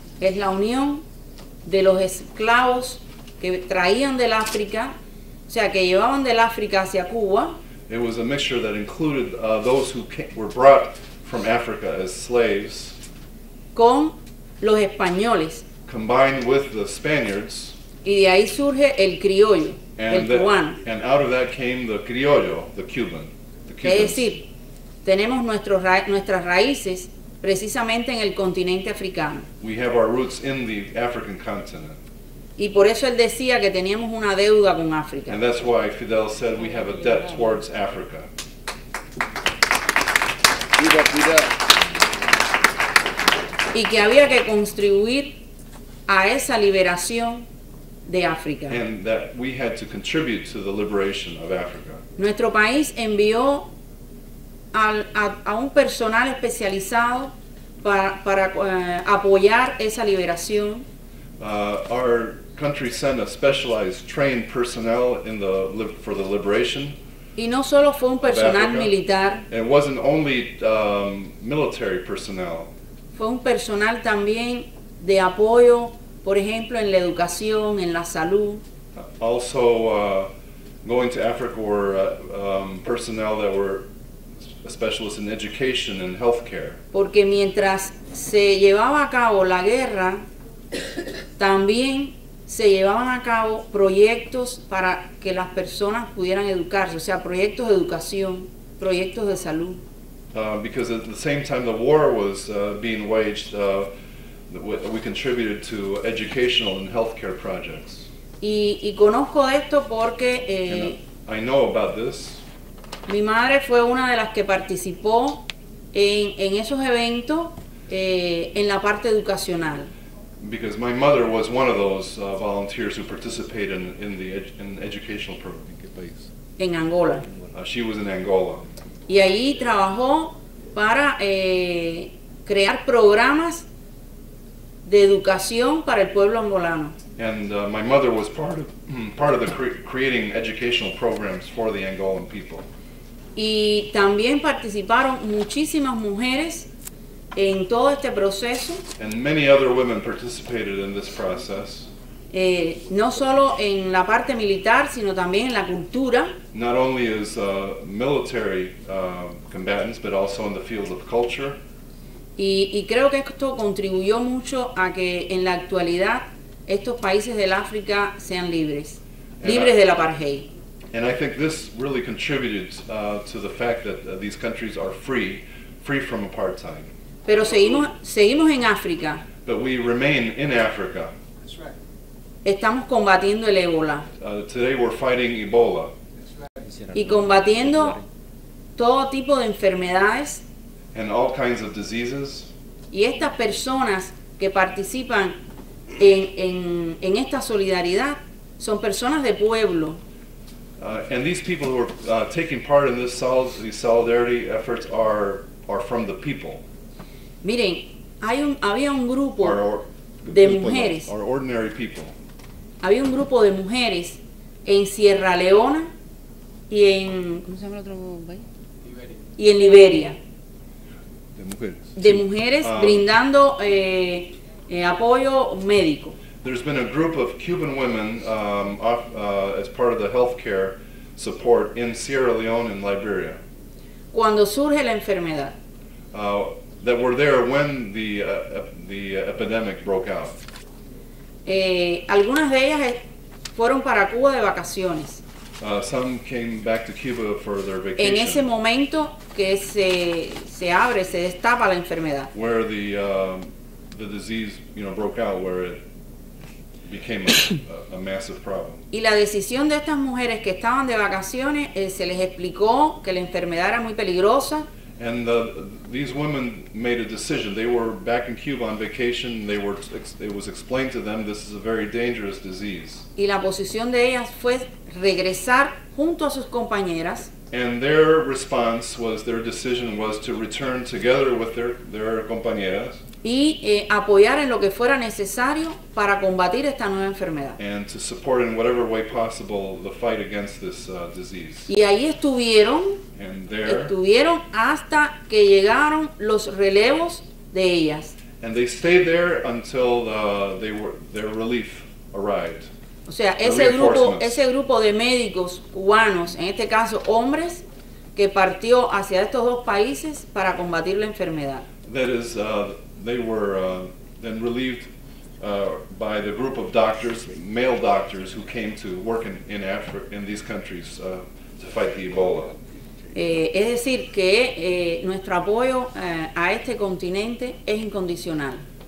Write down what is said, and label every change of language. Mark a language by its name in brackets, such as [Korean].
[Spanish] Es la unión de los esclavos que traían del África, o sea, que llevaban del África hacia Cuba. [English] It was a mixture that included those who were brought from Africa as slaves. [Spanish] Con los españoles. [English] Combined with the Spaniards. [Spanish] Y de ahí surge el criollo, el cubano. [English] And out of that came the criollo, the Cubans. [Spanish] Es decir, tenemos nuestras raíces precisamente en el continente africano. [English] We have our roots in the African continent. [Spanish] Y por eso él decía que teníamos una deuda con África. [English] And that's why Fidel said we have a debt towards Africa. [Spanish] Viva Fidel. Y que había que contribuir a esa liberación de África. [English] And that we had to contribute to the liberation of Africa. [Spanish] Nuestro país envió a un personal especializado para apoyar esa liberación. [English] Our country sent a specialized trained personnel for the liberation. [Spanish] Y no solo fue un personal militar. [English] It wasn't only military personnel. [Spanish] Fue un personal también de apoyo, por ejemplo, en la educación, en la salud. [English] Also going to Africa were personnel that were a specialist in education and healthcare. [Spanish] Porque mientras se llevaba a cabo la guerra, también se llevaban a cabo proyectos para que las personas pudieran educarse, o sea, proyectos de educación, proyectos de salud. [English] Because at the same time the war was being waged, we contributed to educational and healthcare projects. [Spanish] Y conozco esto porque [English] I know about this. [Spanish] Mi madre fue una de las que participó en esos eventos. en la parte educacional. [English] Because my mother was one of those volunteers who participated in educational program. [Spanish] En Angola. [English] She was in Angola. [Spanish] Y ahí trabajó para crear programas de educación para el pueblo angolano. [English] And my mother was part of the creating educational programs for the Angolan people. [Spanish] Y también participaron muchísimas mujeres en todo este proceso. [English] And many other women participated in this process. [Spanish] No solo en la parte militar, sino también en la cultura. [English] Not only as military combatants, but also in the field of culture. [Spanish] Y creo que esto contribuyó mucho a que en la actualidad estos países del África sean libres, libres del apartheid. [English] And I think this really contributed to the fact that these countries are free from apartheid. [Spanish] Pero seguimos en África. [English] But we remain in Africa. That's right. [Spanish] Estamos combatiendo el ébola. [English] Today we're fighting Ebola. [Spanish] Y combatiendo todo tipo de enfermedades. [English] And all kinds of diseases. [Spanish] Y estas personas que participan en esta solidaridad son personas de pueblo. [English] And these people who are taking part in these solidarity efforts are from the people. [Spanish] Miren, había un grupo de mujeres. [English] Or ordinary people. [Spanish] Había un grupo de mujeres en Sierra Leona y en ¿cómo se llama el otro país? Liberia. Y en Liberia. De mujeres, de sí. Mujeres brindando apoyo médico. [English] There's been a group of Cuban women as part of the healthcare support in Sierra Leone and Liberia. [Spanish] Cuando surge la enfermedad. [English] That were there when the epidemic broke out. [Spanish] Algunas de ellas fueron para Cuba de vacaciones. [English] Some came back to Cuba for their vacation. [Spanish] En ese momento que se abre, se destapa la enfermedad. [English] Where the disease, you know, broke out, where it became a massive problem. [Spanish] Y la decisión de estas mujeres que estaban de vacaciones, se les explicó que la enfermedad era muy peligrosa. [English] And these women made a decision. They were back in Cuba on vacation. It was explained to them this is a very dangerous disease. [Spanish] Y la posición de ellas fue regresar junto a sus compañeras. [English] And their response was, their decision was to return together with their compañeras. [Spanish] Y apoyar en lo que fuera necesario para combatir esta nueva enfermedad. [English] And to support in whatever way possible the fight against this disease. [Spanish] Y ahí estuvieron. [English] And there. [Spanish] Estuvieron hasta que llegaron los relevos de ellas. [English] And they stayed there until their relief arrived. [Spanish] O sea, ese grupo de médicos cubanos, en este caso hombres, que partió hacia estos dos países para combatir la enfermedad. [English] That is, they were then relieved by the group of doctors, male doctors, who came to work in these countries to fight the Ebola. [Spanish] Es decir, que nuestro apoyo a este continente es incondicional.